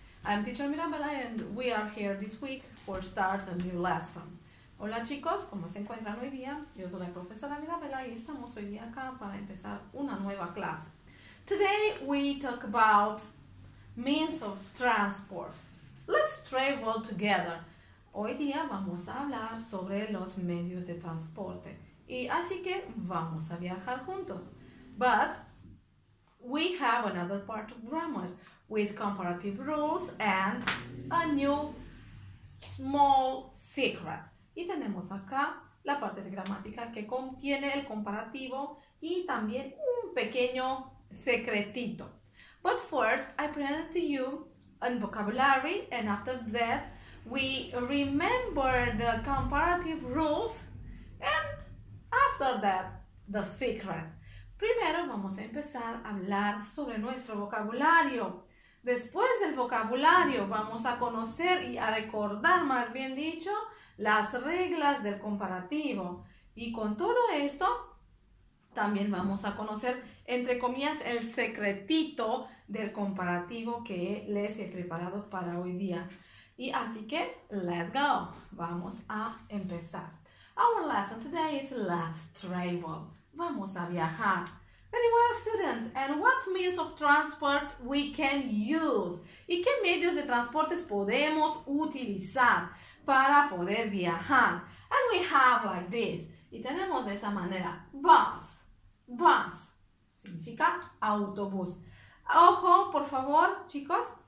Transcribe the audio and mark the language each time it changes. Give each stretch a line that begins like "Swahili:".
English: I'm teacher Mirabella and we are here this week for start a new lesson.
Spanish: Hola chicos, ¿cómo se encuentran hoy día? Yo soy la profesora Mirabella y estamos hoy día acá para empezar una nueva clase.
English: Today we talk about means of transport. Let's travel together.
Spanish: Hoy día vamos a hablar sobre los medios de transporte. Y así que vamos a viajar juntos.
English: But we have another part of grammar with comparative rules and a new small secret.
Spanish: Y tenemos acá la parte de gramática que contiene el comparativo y también un pequeño secretito.
English: But first, I present to you a vocabulary and after that, we remember the comparative rules and after that, the secret.
Spanish: Primero vamos a empezar a hablar sobre nuestro vocabulario. Después del vocabulario vamos a conocer y a recordar, más bien dicho, las reglas del comparativo. Y con todo esto, también vamos a conocer, entre comillas, el secretito del comparativo que les he preparado para hoy día. Y así que,
English: let's go.
Spanish: Vamos a empezar.
English: Our lesson today is let's travel.
Spanish: Vamos a viajar.
English: Very well, students. And what means of transport we can use?
Spanish: ¿Y qué medios de transportes podemos utilizar para poder viajar?
English: And we have like this.
Spanish: Y tenemos de esa manera.
English: Bus. Bus.
Spanish: Significa autobús. Ojo, por favor, chicos.